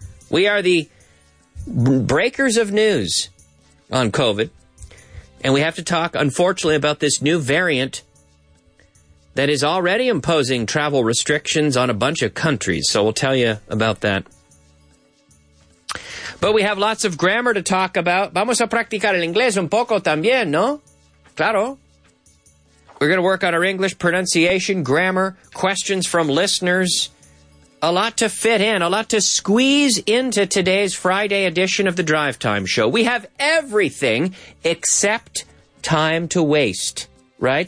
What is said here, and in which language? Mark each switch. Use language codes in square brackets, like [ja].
[en] We are the breakers of news on COVID. And we have to talk, unfortunately, about this new variant that is already imposing travel restrictions on a bunch of countries. So we'll tell you about that. But we have lots of grammar to talk about. [es] Vamos a practicar el inglés un poco también, ¿no? Claro. [en] We're going to work on our English pronunciation, grammar, questions from listeners. A lot to fit in, a lot to squeeze into today's Friday edition of the Drive Time Show. We have everything except time to waste, right?